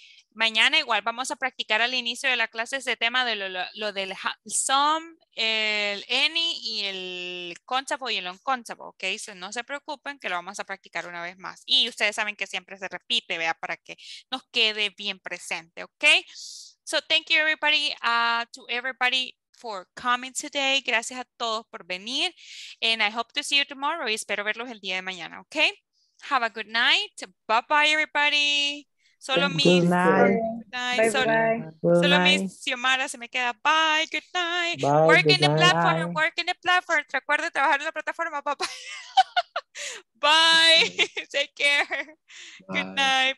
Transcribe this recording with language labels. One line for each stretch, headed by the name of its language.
Spanish: Mañana igual vamos a practicar al inicio de la clase este tema de lo del some, el any y el countable y el uncountable, ¿ok? So no se preocupen que lo vamos a practicar una vez más. Y ustedes saben que siempre se repite, vea, para que nos quede bien presente, ¿ok?
English: So thank you everybody, to everybody for coming today.
Spanish: Gracias a todos por venir.
English: And I hope to see you tomorrow.
Spanish: Y espero verlos el día de mañana, ¿ok?
English: Have a good night. Bye-bye everybody. Solo miss.
Spanish: Solo miss Xiomara se me queda.
English: Bye, good night. Bye, work good in the night. Platform. Bye. Work in the platform.
Spanish: Recuerda trabajar en la plataforma, papá.
English: Bye. Take care. Bye. Good night.